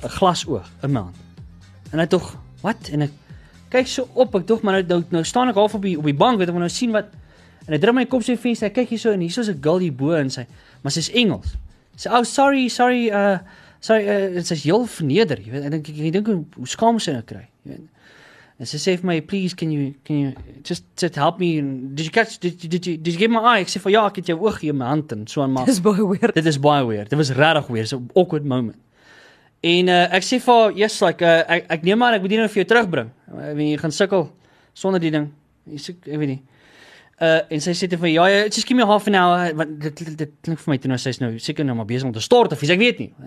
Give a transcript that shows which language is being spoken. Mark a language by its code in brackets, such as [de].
[af] 'n glas oog in my hand. En hy tog, wat? En ek kyk so op, ek dog maar nou staan ek half op die bank, weet ek nou sien wat. En hy draai my kop so in venster, ek kyk hier so en hier is 'n girl hier bo en sy, maar sy's Engels. Sy oh sorry, sy's heel verneder, jy weet. Ek dink hoe skaam sy nou kry, jy weet. En sy sê vir my, [en] please can you just help me, did you give my eye? [af] Ek sê vir jou, ek het jou oog gegee, my hand en so aan, maar dit is baie weird, dit was regtig weird, [en] so awkward moment. [af] En ek sê vir haar, yes, like, ek neem maar, ek moet die ding vir jou terugbring. Jy gaan sukkel sonder die ding. Jy soek, ek weet nie. En sy sê vir my, ja, [en] just give me half an hour, [af] want dit klink vir my toe, nou sy is nou seker nou maar besig om te stort of iets, ek weet nie.